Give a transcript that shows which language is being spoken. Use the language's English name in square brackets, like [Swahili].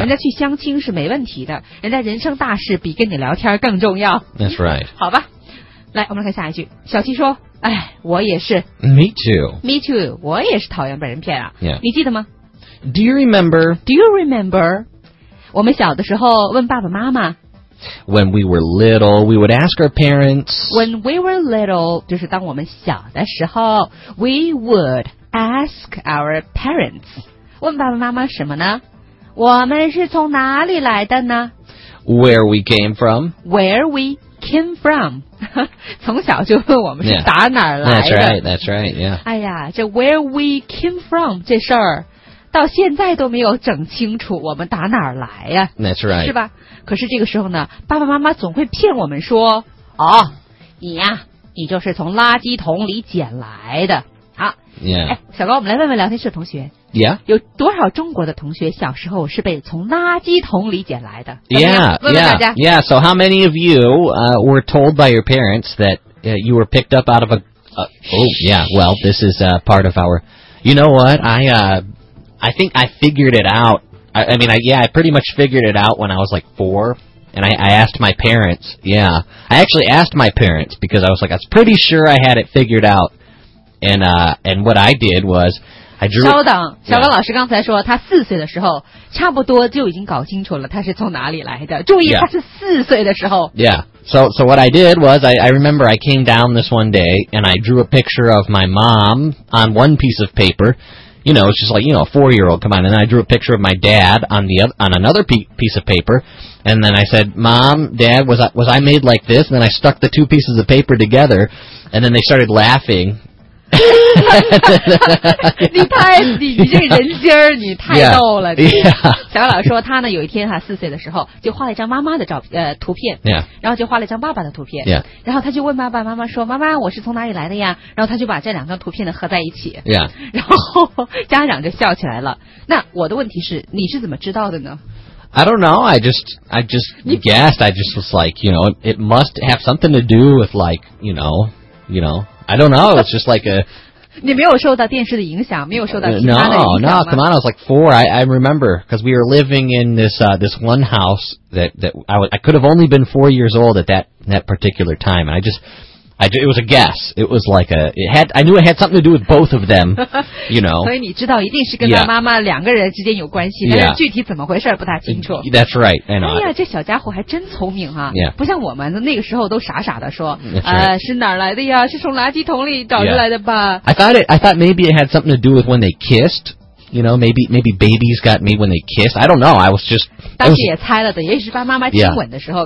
[Chinese] 人家去相亲是没问题的，人家人生大事比跟你聊天更重要。 [English] That's right. [Chinese] 好吧，来我们来看下一句。小七说，哎，我也是。 [English] Me too. Me too. [Chinese] 我也是讨厌被人骗啊、 [English] yeah. [Chinese] 你记得吗？ [English] Do you remember [Chinese] 我们小的时候问爸爸妈妈， [English] When we were little, we would ask our parents. When we were little, [Chinese] 就是当我们小的时候 [English] we would ask our parents. [Chinese] 问爸爸妈妈什么呢？我们是从哪里来的呢？ [English] Where we came from. Where we came from. [Chinese] 从小就问我们是打哪儿来的。 [English] Yeah, that's right, that's right, yeah. [Chinese] 哎呀，这 [English] where we came from [Chinese] 这事儿到现在都没有整清楚，我们打哪儿来呀、 [English] 啊、That's right. [Chinese] 是吧？可是这个时候呢，爸爸妈妈总会骗我们说，哦，你呀、啊、你就是从垃圾桶里捡来的。好、 [English] yeah. [Chinese] 哎、小高，我们来问问聊天室同学、 [English] yeah. [Chinese] 有多少中国的同学小时候是被从垃圾桶里捡来的？ [English] Yeah, 问问大家。 yeah, yeah, so how many of you、were told by your parents that、you were picked up out of a、oh yeah, well this is、part of our, you know what, I think I figured it out. I pretty much figured it out when I was like four. And I asked my parents. Yeah. I actually asked my parents because I was like, I was pretty sure I had it figured out. And what I did was, I drew... [Chinese] 稍等，小高老师刚才说他四岁的时候差不多就已经搞清楚了他是从哪里来的。注意、 [English] yeah. [Chinese] 他是四岁的时候。 [English] Yeah. So what I did was, I remember I came down this one day and I drew a picture of my mom on one piece of paper. You know, it's just like, you know, a four-year-old, come on. And then I drew a picture of my dad on another piece of paper. And then I said, Mom, Dad, was I made like this? And then I stuck the two pieces of paper together. And then they started laughing. [Chinese] 你太你这人心儿，你太逗了。 [English] Yeah. [Chinese] 小老师说他呢，有一天哈，四岁的时候就画了一张妈妈的图片， [English] yeah. [Chinese] 然后就画了一张爸爸的图片， [English] yeah. [Chinese] 然后他就问爸爸妈妈说：“妈妈，我是从哪里来的呀？” 然后他就把这两张图片呢合在一起， [English] yeah. [Chinese] 然后家长就笑起来了。那我的问题是，你是怎么知道的呢？ [English] I don't know. I just guessed. I just was like, you know, it must have something to do with like, you know. I don't know, it's just like a... [Chinese] 你没有受到电视的影响，没有受到其他的影响吗？ [English] No, come on, I was like four, I remember, because we were living in this, this one house that I could have only been 4 years old at that particular time, and it was a guess, it was like a, I knew it had something to do with both of them, you know. [Chinese] 所以你知道一定是跟他妈妈两个人之间有关系、 [English] yeah. [Chinese] 但是具体怎么回事不太清楚。 [English] That's right, I know. [Chinese] 哎呀，这小家伙还真聪明啊、 [English] yeah. [Chinese] 不像我们那个时候都傻傻的说、 [English] right. [Chinese] 是哪儿来的呀，是从垃圾桶里找出来的吧、 [English] yeah. I thought maybe it had something to do with when they kissed, you know, maybe babies got me when they kissed, I don't know, I was just... [Chinese] 当时也猜了的，也许是爸妈妈亲吻的时候、